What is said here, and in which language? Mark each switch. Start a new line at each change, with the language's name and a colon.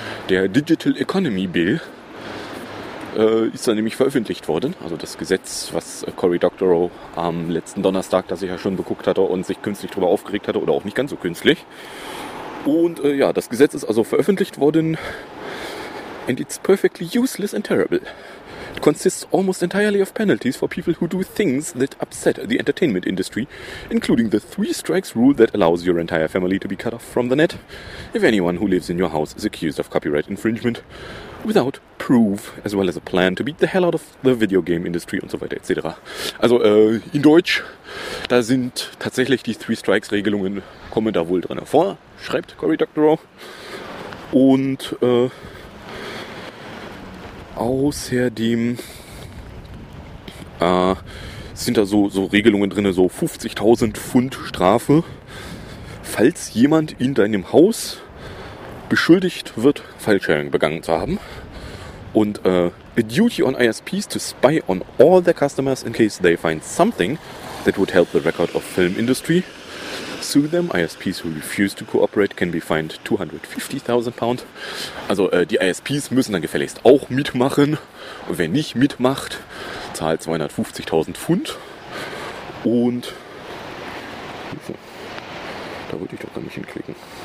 German: Der Digital Economy Bill ist da nämlich veröffentlicht worden. Also das Gesetz, was Cory Doctorow am letzten Donnerstag, das ich ja schon beguckt hatte und sich künstlich drüber aufgeregt hatte, oder auch nicht ganz so künstlich. Und ja, das Gesetz ist also veröffentlicht worden.
English: And it's perfectly useless and terrible. It consists almost entirely of penalties for people who do things that upset the entertainment industry, including the three strikes rule that allows your entire family to be cut off from the net if anyone who lives in your house is accused of copyright infringement without proof, as well as a plan to beat the hell out of the video game industry
German: und so weiter
English: etc.
German: Also in Deutsch, da sind tatsächlich die three strikes Regelungen, kommen da wohl drin vor, schreibt Cory Doctorow. Und außerdem sind da so Regelungen drin, so 50.000 Pfund Strafe, falls jemand in deinem Haus beschuldigt wird, File-Sharing begangen zu haben. Und
English: a duty on ISPs to spy on all their customers in case they find something that would help the record of film industry. Sue them, ISPs who refuse to cooperate can be fined £250,000.
German: Also die ISPs müssen dann gefälligst auch mitmachen. Und wer nicht mitmacht, zahlt 250.000 Pfund. Und da wollte ich doch gar nicht hinklicken.